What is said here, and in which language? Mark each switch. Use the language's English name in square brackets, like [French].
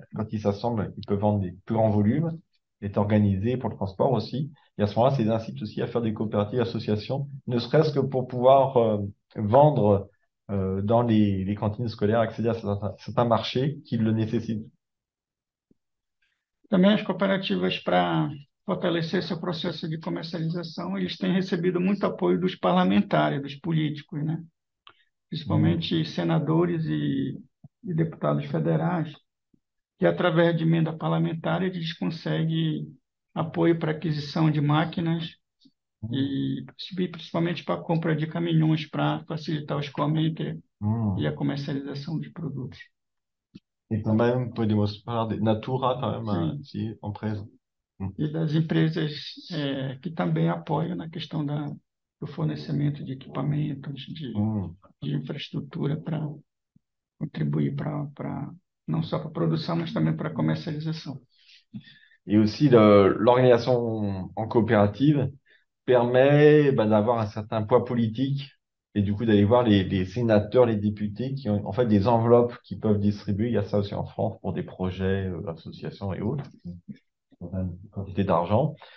[French] Quand ils s'assemblent, ils peuvent vendre des plus grands volumes, être organisés pour le transport aussi. Et à ce moment-là, ça les incite aussi à faire des coopératives, associations, ne serait-ce que pour pouvoir vendre dans les cantines scolaires, accéder à certains marchés qui le nécessitent. [Portuguese] Também as cooperativas, para fortalecer seu processo de comercialização, eles têm recebido muito apoio dos parlamentares, dos políticos, né? Principalmente senadores e deputados federais, que através de emenda parlamentar eles conseguem apoio para aquisição de máquinas e principalmente para a compra de caminhões para facilitar o escoamento e a comercialização dos produtos. [French] Et quand même, vous pouvez démontrer Natura, quand même, [Portuguese] Sim. [French] si, en présent. [Portuguese] E das empresas que também apoiam na questão do fornecimento de equipamentos, de infraestrutura para contribuir não só para a produção, mas também para a comercialização. [French] Et aussi, l'organisation en coopérative permet d'avoir un certain poids politique. Et du coup, d'aller voir les sénateurs, les députés qui ont en fait des enveloppes qu'ils peuvent distribuer. Il y a ça aussi en France pour des projets, associations et autres, une quantité d'argent.